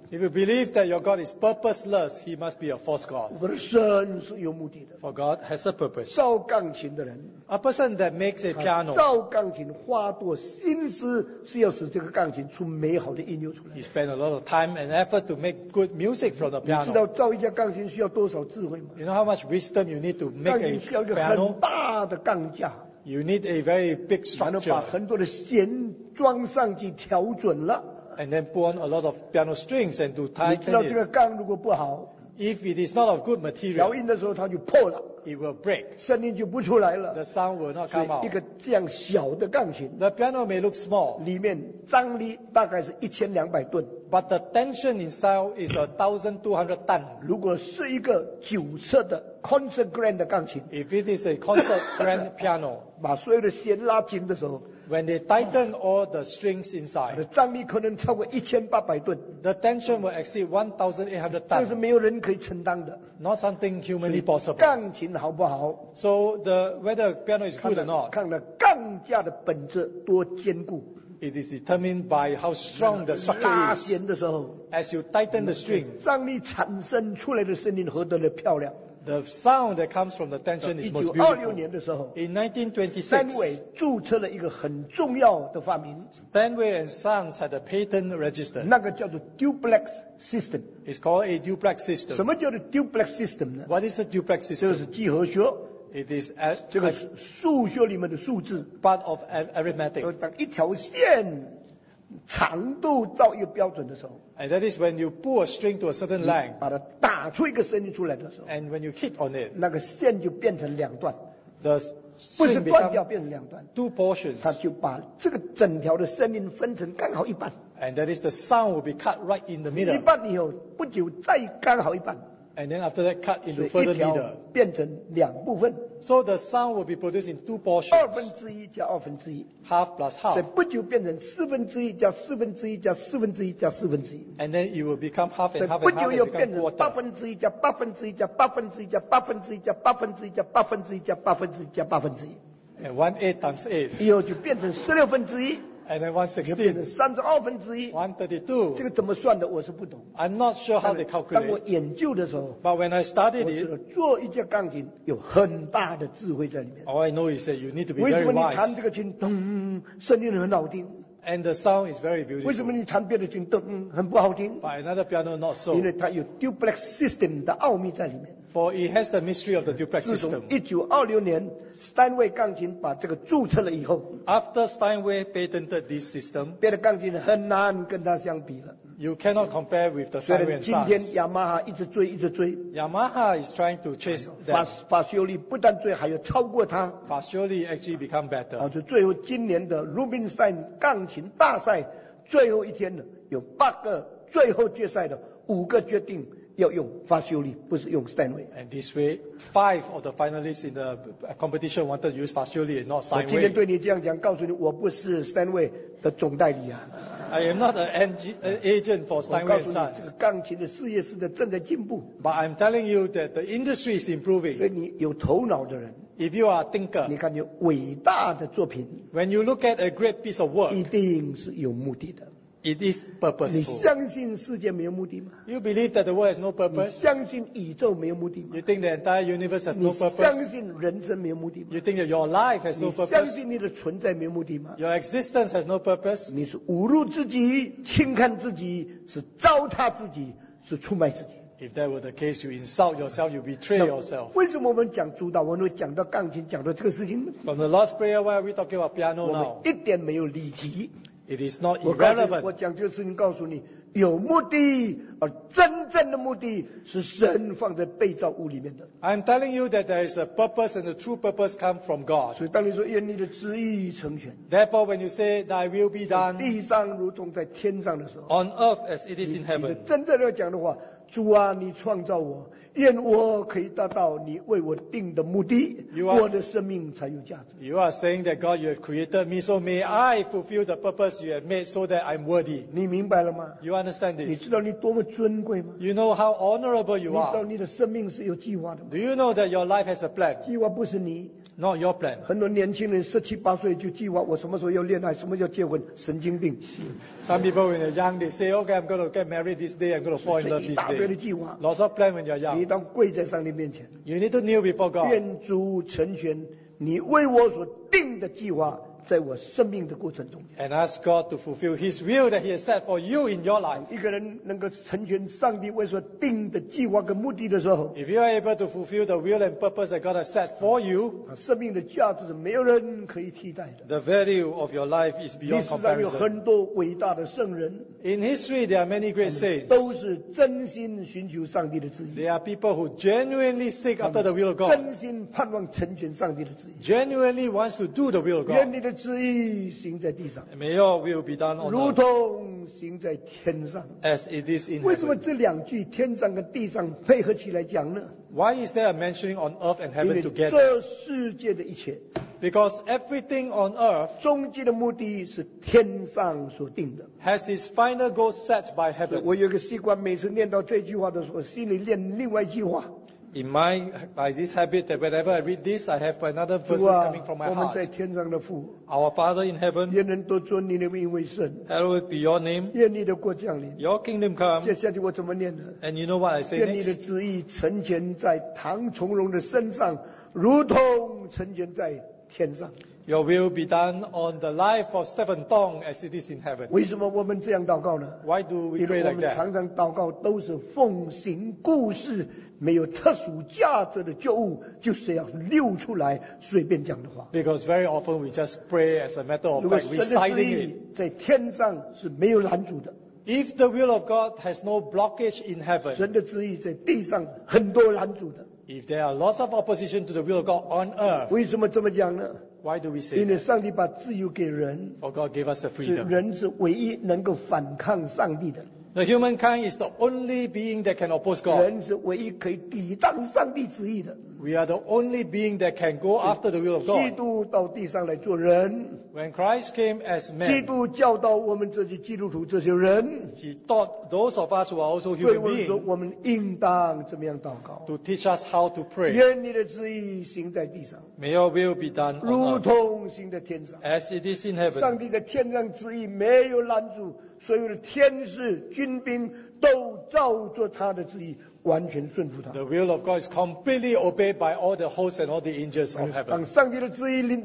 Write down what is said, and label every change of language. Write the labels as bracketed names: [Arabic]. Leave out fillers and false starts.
[English] If you believe that your God is purposeless, he must be a false God. [Chinese] 我们的神是有目的的。 [English] For God has a purpose. [Chinese] 造钢琴的人, [English] a person that makes a piano, [Chinese] 造钢琴花多心思是要使这个钢琴出美好的音乐出来。 [English] He spent a lot of time and effort to make good music from the piano. [Chinese] 你知道造一架钢琴需要多少智慧吗? [English] You know how much wisdom you need to make a piano? [Chinese] 钢琴需要一个很大的钢架。 [English] You need a very big structure. [Chinese] 然后把很多的弦装上去调准了。 [English] And then put on a lot of piano strings and to tighten it. [Chinese] 你知道这个钢如果不好, [English] if it is not of good material, [Chinese] 调音的时候它就破了。 [English] It will break. [Chinese] 声音就不出来了。 [English] The sound will not come out. [Chinese] 一个这样小的钢琴, [English] the piano may look small. [Chinese] 里面张力大概是1200吨。 [English] But the tension inside is 1,200 ton. [Chinese] 如果是一个九色的 concert grand 的钢琴, [English] if it is a concert grand piano, [Chinese] 把所有的弦拉紧的时候, [English] when they tighten all the strings inside, [Chinese] 张力可能超过1800吨。 [English] The tension will exceed 1,800 ton. [Chinese] 这是没有人可以承担的。 [English] Not something humanly possible. [Chinese] 钢琴好不好, [English] so the whether piano is good or not, [Chinese] 看了钢架的本质多坚固。 [English] It is determined by how strong the structure is. As you tighten the string, [Chinese] 张力产生出来的声音何等的漂亮。 [English] The sound that comes from the tension is most beautiful. In 1926, [Chinese] Stanway 注册了一个很重要的发明。 [English] Stanway and Sons had a patent register. [Chinese] 那个叫做 duplex system. [English] It's called a duplex system. [Chinese] 什么叫做 duplex system 呢? [English] What is a duplex system? [Chinese] 这是几何学。 [English] It is a, [Chinese] 这个数学里面的数字, [English] part of arithmetic. [Chinese] 当一条线, 长度到一个标准的时候, [English] and that is when you pull a string to a certain length, [Chinese] 把它打出一个声音出来的时候, [English] and when you hit on it, [Chinese] 那个线就变成两段, [English] the [Chinese] 不是断掉变成两段, [English] two portions, [Chinese] 它就把这个整条的声音分成刚好一半, [English] and that is the sound will be cut right in the middle. [Chinese] 一半以后, 不久再刚好一半, [English] And then after that, cut into further meter. [Chinese] 变成两部分, [English] so the sound will be produced in two portions. 2/2 Half plus half. [Chinese] 所以不久变成四分之一加四分之一加四分之一加四分之一。 [English] And then it will become half and half and half and become quarter. [Chinese] 所以不久又变成八分之一加八分之一加八分之一加八分之一加八分之一加八分之一加八分之一。 [English] And 1/8 times 8. [Chinese] 以后就变成16分之一。 [English] And then 1/16, 1/32. [Chinese] 这个怎么算的, 我是不懂, [English] I'm not sure how they calculate. [Chinese] 当我研究的时候, [English] but when I studied it, [Chinese] 做一件钢琴, [English] all I know is that you need to be very wise. [Chinese] 为什么你弹这个琴, 咚, 声音很好听, [English] and the sound is very beautiful. [Chinese] 为什么你弹别的琴, 咚, 很不好听, [English] but another piano not so. [Chinese] 因为它有 duplex system 的奥秘在里面。 [English] For it has the mystery of the duplex system. [Chinese] 1926年, Steinway 钢琴把这个注册了以后, [English] after Steinway patented this system, [Chinese] 别的钢琴很难跟它相比了, [English] you cannot compare with the Steinway and Sons. [Chinese] 今天Yamaha一直追一直追, [English] Yamaha is trying to chase them. [Chinese] Fascioli不但追, 还有超过它, [English] Fascioli actually become better. [Chinese] 最后今年的 Rubinstein 钢琴大赛, 最后一天了, 有8个最后决赛的, 5个决定, 要用Fascioli, 不是用Steinway. [English] And this way, 5 of the finalists in the competition wanted to use Fascioli and not Steinway. [Chinese] 我今天对你这样讲, 告诉你, 我不是Steinway的总代理啊。 [English] I am not an agent for Steinway & Sons. [Chinese] 我告诉你这个钢琴的事业是在正在进步。 [English] But I'm telling you that the industry is improving. [Chinese] 所以你有头脑的人, [English] if you are a thinker, [Chinese] 你看你伟大的作品, [English] when you look at a great piece of work, [Chinese] 一定是有目的的。 [English] It is purposeful. [Chinese] 你相信世界没有目的吗? [English] You believe that the world has no purpose? [Chinese] 你相信宇宙没有目的吗? [English] You think the entire universe has no purpose? [Chinese] 你相信人生没有目的吗? [English] You think that your life has no purpose? [Chinese] 你相信你的存在没有目的吗? [English] Your existence has no purpose? [Chinese] 你是侮辱自己, 轻看自己, 是糟蹋自己, 是出卖自己。 [English] If that were the case, you insult yourself, you betray yourself. [Chinese] 为什么我们讲主导文会讲到钢琴, 讲到这个事情呢? [English] From the Lord's Prayer, why are we talking about piano now? [Chinese] 我们一点没有离题。 [English] It is not irrelevant. [Chinese] 我讲这个事情告诉你, 有目的, 而真正的目的是神放在被造物里面的。 [English] I'm telling you that there is a purpose and the true purpose come from God. [Chinese] 所以当你说, 愿你的旨意成全, [English] therefore when you say thy will be done, [Chinese] 地上如同在天上的时候, [English] on earth as it is in heaven, [Chinese] 真正要讲的话, 主啊, 你创造我, 愿我可以达到你为我定的目的, 我的生命才有价值。 [English] You are saying that God, you have created me, so may I fulfill the purpose you have made so that I'm worthy. [Chinese] 你明白了吗? [English] You understand this? [Chinese] 你知道你多么尊贵吗? [English] You know how honorable you are. [Chinese] 你知道你的生命是有计划的吗? [English] Do you know that your life has a plan? [Chinese] 计划不是你。 [English] Not your plan. [Chinese] 很多年轻人17、18岁就计划我什么时候要恋爱，什么时候要结婚， 神经病。 [English] Some people when they're young, they say, okay, I'm going to get married this day, I'm going to fall in love this day. [Chinese] 一大堆的计划。 [English] Lots of plan when you're young. [Chinese] 你当跪在上帝面前。 [English] You need to kneel before God. [Chinese] 愿主成全你为我所定的计划。在我生命的过程中, [English] and ask God to fulfill His will that He has set for you in your life. [Chinese] 一个人能够成全上帝为所定的计划跟目的的时候, [English] if you are able to fulfill the will and purpose that God has set for you, [Chinese] 生命的价值是没有人可以替代的, [English] the value of your life is beyond comparison. [Chinese] 历史上有很多伟大的圣人, [English] in history there are many great saints. [Chinese] 都是真心寻求上帝的旨意, [English] they are people who genuinely seek after the will of God, [Chinese] 真心盼望成全上帝的旨意, [English] genuinely wants to do the will of God. May your will be done on earth, [Chinese] 如同行在天上, [English] as it is in heaven. [Chinese] 为什么这两句, 天上跟地上配合起来讲呢? [English] Why is there a mentioning on earth and heaven together? [Chinese] 这世界的一切, [English] because everything on earth, [Chinese] 终极的目的是天上所定的, [English] has its final goal set by heaven. [Chinese] 我有个习惯, 每次念到这句话的时候, 心里念另外一句话。 [English] In my, by this habit that whenever I read this, I have another verses coming from my heart. [Chinese] 我们在天上的父, [English] our Father in heaven, [Chinese] 愿人都尊你的名为圣, [English] hallowed be your name, [Chinese] 愿你的国降临, [English] your kingdom come. [Chinese] 接下去我怎么念呢? [English] And you know what I say next? [Chinese] 愿你的旨意成全在唐崇荣的身上, 如同成全在天上。 [English] Your will be done on the life of Stephen Tong as it is in heaven. [Chinese] 为什么我们这样祷告呢? [English] Why do we pray like that? [Chinese] 我们常常祷告都是奉行故事, 没有特殊价值的救物, 就是要溜出来, 随便讲的话。 [English] Because very often we just pray as a matter of fact, reciting it. [Chinese] 在天上是没有拦阻的。 [English] If the will of God has no blockage in heaven, [Chinese] 神的旨意在地上很多拦阻的。 [English] If there are lots of opposition to the will of God on earth, [Chinese] 为什么这么讲呢? [English] Why do we say that? [Chinese] 因为上帝把自由给人, [English] for God gave us the freedom. [Chinese] 人是唯一能够反抗上帝的。 [English] The humankind is the only being that can oppose God. [Chinese] 人是唯一可以抵挡上帝旨意的。 [English] We are the only being that can go after the will of God. [Chinese] 基督到地上来做人。 [English] When Christ came as man, [Chinese] 基督教导我们这些基督徒这些人, [English] He taught those of us who are also human beings, [Chinese] 对我们说我们应当怎么样祷告, [English] to teach us how to pray. [Chinese] 愿你的旨意行在地上, [English] May your will be done on earth, [Chinese] 如同行在天上, [English] as it is in heaven. [Chinese] 上帝的天上旨意没有拦阻, 所有的天使军兵都照着他的旨意, [English] The will of God is completely obeyed by all the hosts and all the angels of heaven.